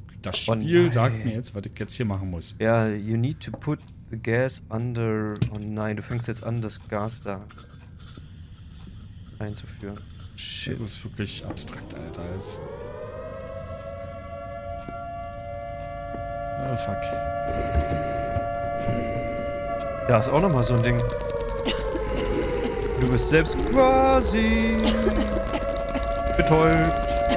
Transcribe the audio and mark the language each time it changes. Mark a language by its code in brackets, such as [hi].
[de] Das Spiel sagt mir jetzt, was ich jetzt hier machen muss. [en] Ja, you need to put the gas under. [de] Oh nein, du fängst jetzt an, das Gas da einzuführen. Shit. Das ist wirklich abstrakt, Alter. Das oh fuck. Da ist auch nochmal so ein Ding. Du bist selbst quasi betäubt.